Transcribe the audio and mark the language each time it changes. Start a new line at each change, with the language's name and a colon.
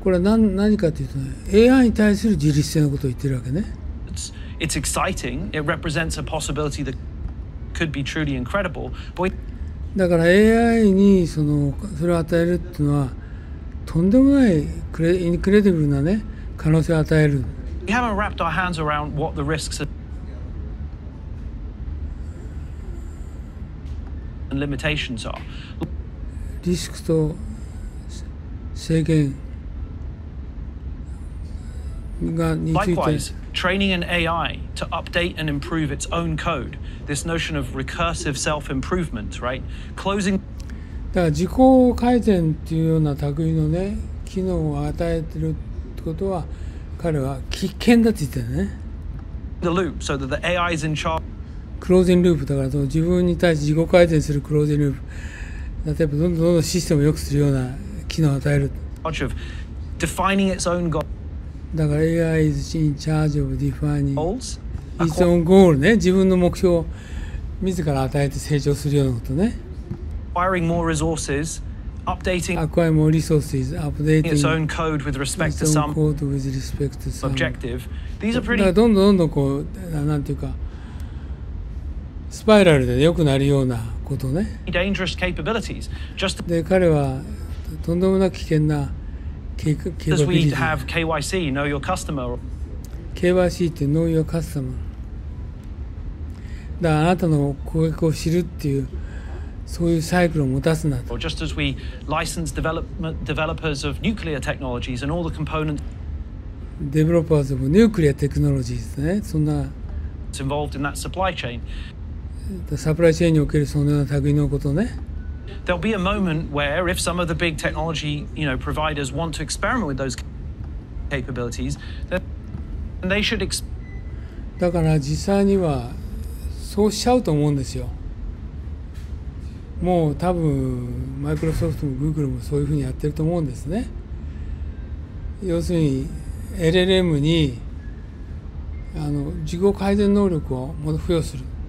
Japanese: これは 何かっていうとね、 AI に対する自律性のことを言ってるわけね。
English: It's exciting. It represents a possibility thatcould be truly incredible.
Japanese: だから AI にそれを与えるっていうのは、とんでもないインクレディブルなね、可能性を与える。
English: We haven't wrapped our hands around what the risks and limitations are.
Japanese: リスクと制限がについて。
English: Training an AI to update and improve its own code. This notion of recursive self-improvement, right? Closing.
Japanese: だから自己改善っていうような類のね、機能を与えてるってことは、彼は危険だって言ってるね。
English: The loop, so that the AI is in charge.
Japanese: Closing loop だから、自分に対して自己改善する closing loop。例えばどんどんどんどんシステムを良くするような機能を与える。
English: Much of defining its own goal.
Japanese: だから
English: AI is in charge of defining its own goal
Japanese: ね、自分の目標を自ら与えて成長するようなことね。
English: Acquiring more resources, updating acquiring more resources, updating its own code with respect to some code with respect to some objective. These are pretty
Japanese: どんどんどんどんこう、なんていうかスパイラルで良くなるようなことね。
English: Dangerous capabilities. Just
Japanese: で、彼はとんでもなく危険な。
English: Because we have KYC, know your customer. KYC
Japanese: って
English: know your customer。
Japanese: だからあなたの顧客を知るっていう、そういうサイクルを持たすな。
English: Or just as we license developers of nuclear technologies and all the components. Developers of nuclear technologies
Japanese: ね、そんな。
English: It's involved in that supply chain.
Japanese: サプライチェーンにおけるそのような類のことね。
English: There'll be a moment where, if some of the big technology, you know, providers want to experiment with those capabilities, then they should.
Japanese: だから実際にはそうしちゃうと思うんですよ。もう多分マイクロソフトもグーグルもそういうふうにやってると思うんですね。要するに LLM に自己改善能力をもっと付与する。